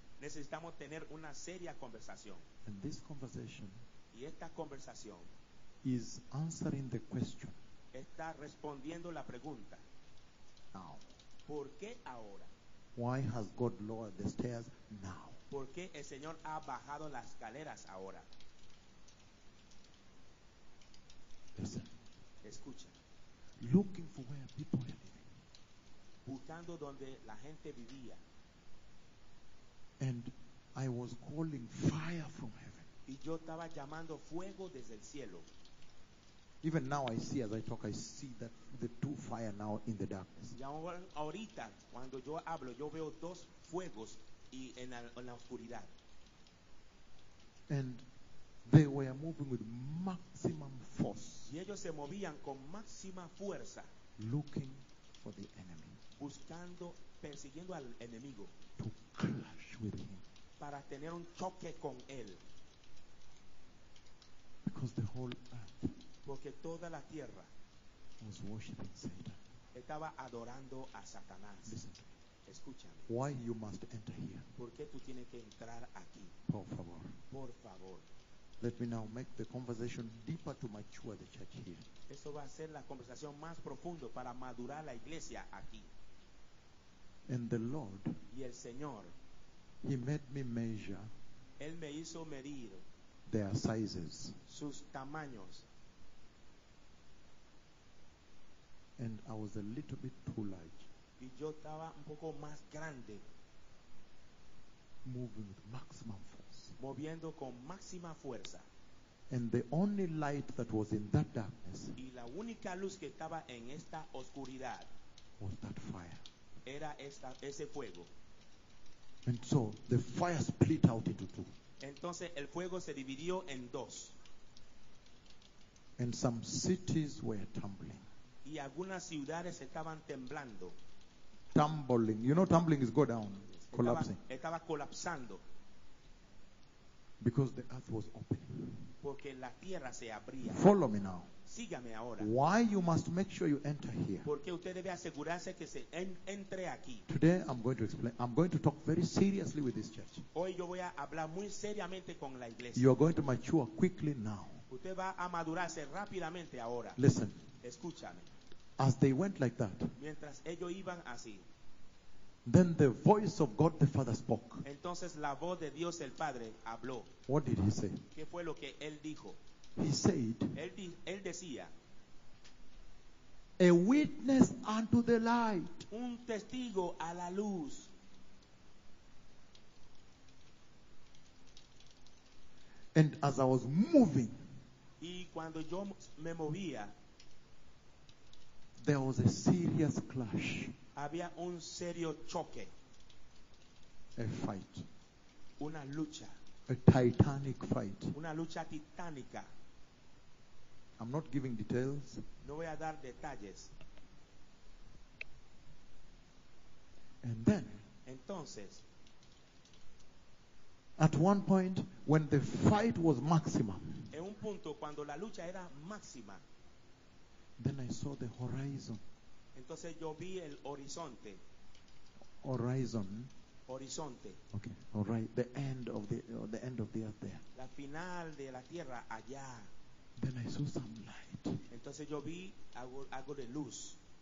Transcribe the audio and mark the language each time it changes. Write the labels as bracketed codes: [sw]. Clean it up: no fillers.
[es] Necesitamos tener una seria conversación. [en] And this conversation, [es] y esta conversación, [en] is answering the question. [es] Está respondiendo la pregunta. [en] Now. [es] ¿Por qué ahora? [en] Why has God lowered the stairs now? [es] ¿Por qué el Señor ha bajado las escaleras ahora? [en] Listen. [es] Escucha. [en] Looking for where people are living. [es] Buscando donde la gente vivía. [en] And I was calling fire from heaven. [es] Y yo estaba llamando fuego desde el cielo. [en] Even now I see, as I talk, I see that the two fire now in the darkness. [es] Ya ahorita, cuando yo hablo, yo veo dos fuegos y en la oscuridad. [en] And they were moving with maximum force. [es] Y ellos se movían con máxima fuerza. [en] Looking for the enemy. [es] Buscando, persiguiendo al enemigo. [en] To clash with him. [es] Para tener un choque con él. [en] Because the whole earth. [es] Porque toda la tierra. [en] Was worshiping Satan. [es] Estaba adorando a Satanás. [en] Listen to me. [es] Escúchame. [en] Why you must enter here. [es] ¿Por qué tú tienes que entrar aquí? Por favor. Por favor. [en] Let me now make the conversation deeper to mature the church here. [es] Eso va a ser la conversación más profundo para madurar la iglesia aquí. [en] And the Lord, [es] y el Señor, [en] he made me measure, [es] él me hizo medir [en] their sizes, [es] sus tamaños. [en] And I was a little bit too large. [es] Y yo estaba un poco más grande. [en] Moving with maximum force. [es] Moviendo con máxima fuerza. [en] And the only light that was in that darkness, [es] y la única luz que estaba en esta oscuridad, [en] was that fire. [es] Era esta, ese fuego. [en] And so the fire split out into two. [es] Entonces el fuego se dividió en dos. [en] And some cities were tumbling. [es] Y algunas ciudades estaban temblando. [en] Tumbling. You know, tumbling is go down. Collapsing. [es] Estaba colapsando. [en] Because the earth was opening. [es] Porque la tierra se abría. [en] Follow me now. [es] Sígame ahora. [en] Why you must make sure you enter here. [es] Porque usted debe asegurarse que se entre aquí. [en] Today I'm going to explain. I'm going to talk very seriously with this church. [es] Hoy yo voy a hablar muy seriamente con la iglesia. [en] You are going to mature quickly now. [es] Usted va a madurarse rápidamente ahora. [en] Listen. [es] Escúchame. [en] As they went like that. [es] Mientras ellos iban así. [en] Then the voice of God the Father spoke. [es] Entonces la voz de Dios el Padre habló. [en] What did he say? [es] ¿Qué fue lo que él dijo? [en] He said, [es] él decía, [en] a witness unto the light. [es] Un testigo a la luz. [en] And as I was moving, [es] y cuando yo me movía, [en] there was a serious clash. [es] Había un serio choque. [en] A fight. [es] Una lucha. [en] A titanic fight. [es] Una lucha titánica. [en] I'm not giving details. [es] No voy a dar detalles. [en] And then, [es] entonces, [en] at one point when the fight was maximum, [es] en un punto cuando la lucha era máxima, [en] then I saw the horizon. [es] Entonces yo vi el horizonte. [en] Horizon. [es] Horizonte. [en] Okay. All right. The end of the earth there. [es] La final de la tierra allá. [en] Then I saw some light. [es] Entonces yo vi algo de luz.